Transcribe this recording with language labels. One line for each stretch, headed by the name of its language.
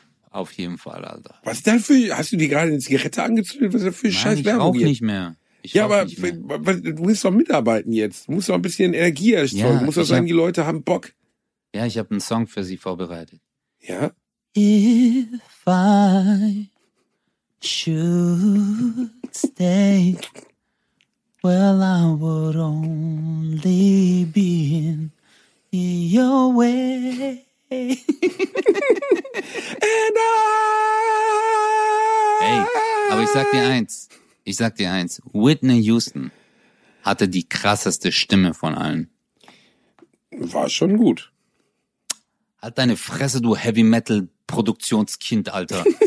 German: Auf jeden Fall, Alter. Was denn für, hast du dir gerade eine Zigarette angezündet? Was ist denn für Nein, scheiß ich Werbung? Ich rauch nicht mehr. Ich ja, aber mehr. Du willst doch mitarbeiten jetzt. Du musst doch ein bisschen Energie erzeugen. Ja, du musst doch sagen, die Leute haben Bock. Ja, ich habe einen Song für sie vorbereitet. Ja?
English: If I should stay, well, I would only be in your way. And I...
German: Ey, aber ich sag dir eins, Whitney Houston hatte die krasseste Stimme von allen. War schon gut. Halt deine Fresse, du Heavy Metal Produktionskind, Alter.